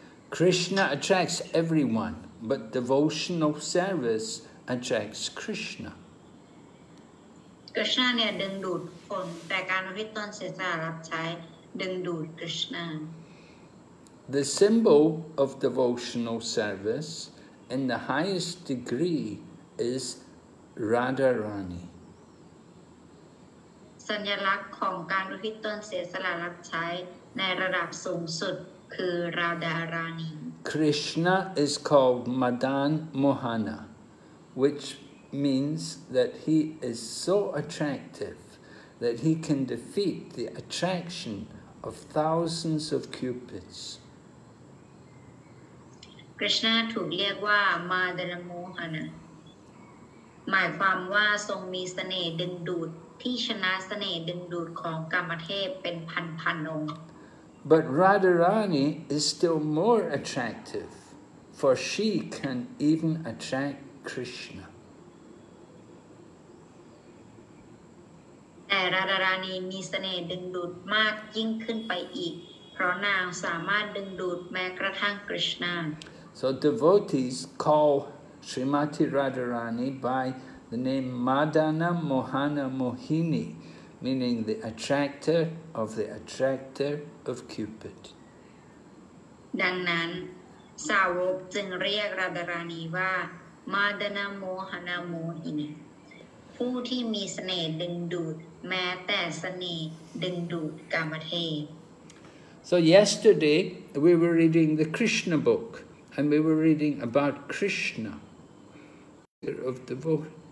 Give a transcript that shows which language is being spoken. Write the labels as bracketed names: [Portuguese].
[English] Krishna attracts everyone, but devotional service attracts Krishna. [Thai] Krishna เนี่ย ดึงดูด คน แต่ การอุทิศตน เสียสละ รับใช้ ดึงดูด Krishna. [English] The symbol of devotional service in the highest degree is Radharani. [Thai] สัญลักษณ์ของการอุทิศตนเสียสละรับใช้ในระดับสูงสุดคือราดารานี [English] Krishna is called Madan Mohana which means that he is so attractive that he can defeat the attraction of thousands of cupids [Thai] Krishna ถูกเรียกว่า Madan Mohana หมายความว่าทรงมีเสน่ห์ดึงดูดที่ชนะเสน่ห์ดึงดูดของกามเทพเป็นพันพันองค์ [English] But Radharani is still more attractive for she can even attract Krishna [Thai] แต่ Radharani มีเสน่ห์ดึงดูดมากยิ่งขึ้นไปอีกเพราะนางสามารถดึงดูดแม้กระทั่ง Krishna [English] So devotees call Srimati Radharani byThe name Madana Mohana Mohini, meaning the attractor of the attractor of Cupid. [Thai] ดังนั้นสาวกจึงเรียกราดารานีว่า Madana Mohana Mohini, ผู้ที่มีเสน่ห์ดึงดูดแม้แต่เสน่ห์ดึงดูดกามเทพ [English] So yesterday we were reading the Krishna book and we were reading about Krishna, of the book.